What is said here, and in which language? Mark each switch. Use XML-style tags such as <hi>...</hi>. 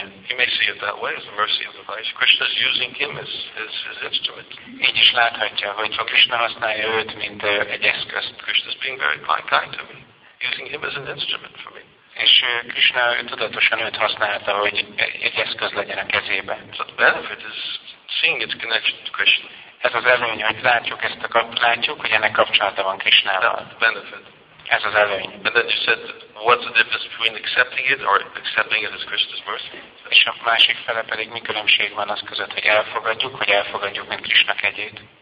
<en>He may see it that way, as the mercy of the Vaishnava. Krishna is using him as his instrument.</en> <hu>Így is láthatja, hogy Krishna használja őt, mint egy eszközt.</hu> <en>Krishna is being very kind to me. Using him as an instrument for me.</en> <hu>És Krishna tudatosan őt használta, hogy egy eszköz legyen a kezébe.</hu> <en>So the benefit is seeing its connection to Krishna.</en> <hu>Ez az előny, hogy látjuk ezt a látjuk, hogy ennek kapcsolata van Krishnával.</hu> <en>Benefit.</en> <hu>Ez az előny.</hu> <en>But then you said, what's the difference between accepting it or accepting it as Krishna's mercy?</en> <hu>És a másik fele pedig mi különbség van az között, hogy elfogadjuk, vagy elfogadjuk, mint Krishna kegyét?</hu>